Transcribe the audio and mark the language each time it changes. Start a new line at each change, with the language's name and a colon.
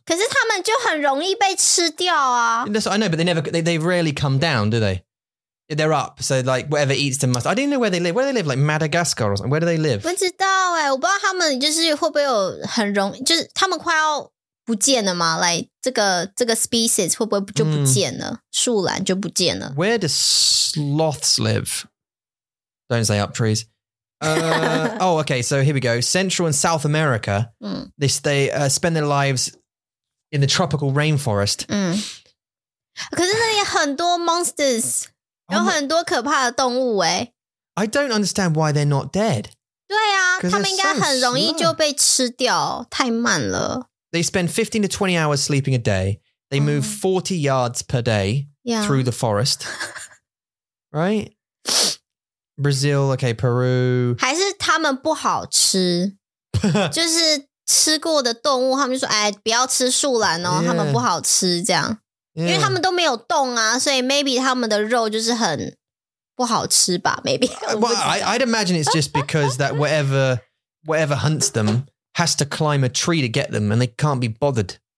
Chinese: 可是他们就很容易被吃掉啊。
English: I know, but they never, they rarely come down, do they? They're up, so like whatever eats them must. I don't know where they live. Where do they live? Like Madagascar or something? Where do they live?
Chinese: 不知道耶,我不知道他们就是会不会有很容易,就是他们快要不见了吗? Like 这个 species 会不会就不见了? 树懒就不见了。
English: Where do sloths live? Don't say up trees. oh, okay. So here we go. Central and South America. They spend their lives in the tropical rainforest.
Chinese: 可是那里很多 monsters, 有很多可怕的动物诶.
English: I don't understand why they're not dead.
Chinese: 对啊，他们应该很容易就被吃掉，太慢了.
English: They spend 15 to 20 hours sleeping a day. They move 40 yards per day through the forest. Right. Brazil, okay, Peru.
Chinese: 还是他们不好吃? 就是吃过的动物，他们就说，哎，不要吃树懒哦，他们不好吃这样。因为他们都没有动啊，所以maybe他们的肉就是很不好吃吧，maybe.
English: Well, I'd imagine it's just because that whatever hunts them has to climb a tree to get them, and they can't be bothered.